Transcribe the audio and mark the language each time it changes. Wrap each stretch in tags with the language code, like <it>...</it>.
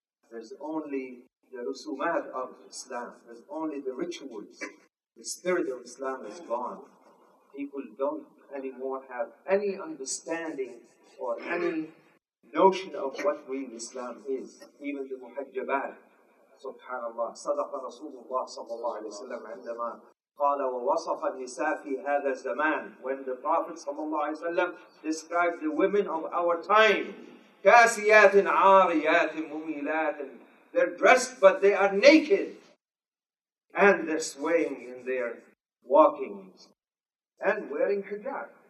<en>There's only the rusumat of Islam. There's only the rituals. The spirit of Islam is gone. People don't anymore have any understanding or any notion of what real Islam is. Even the muhajjabat, subhanAllah.</en> <ar>Sadaqa Rasulullah sallallahu alayhi wa sallam عندما قال ووصف النساء في هذا الزمان.</ar> <en>When the Prophet sallallahu alayhi wa sallam described the women of our time,</en> <ar>كاسيات عاريات مميلات,</ar> <en>they're dressed but they are naked, and they're swaying in their walkings, and wearing hijab.</en>